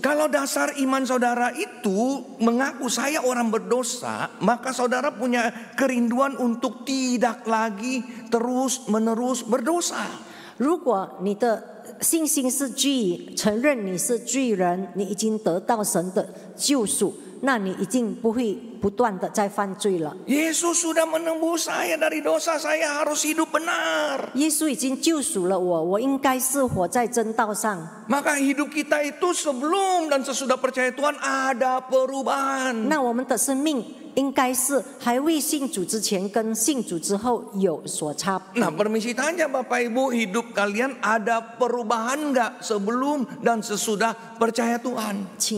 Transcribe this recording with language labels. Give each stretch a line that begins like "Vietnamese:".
Indonesian: Kalau dasar iman saudara itu mengaku saya orang berdosa, maka saudara punya kerinduan untuk tidak lagi terus menerus berdosa.
Chinese: 如果你的信心是罪，承认你是罪人，你已经得到神的救赎。那你已经不会不断的再犯罪了。
Indonesian: Yesus sudah menebus saya dari dosa, saya harus hidup benar.
Chinese: 耶稣已经救赎了我，我应该是活在真道上。
Indonesian: Maka hidup kita itu sebelum dan sesudah percaya Tuhan ada perubahan.
Chinese: 那我们的生命应该是还未信主之前跟信主之后有所差别。
Indonesian: Nah, permisi tanya Bapak Ibu, hidup kalian ada perubahan enggak sebelum dan sesudah percaya Tuhan?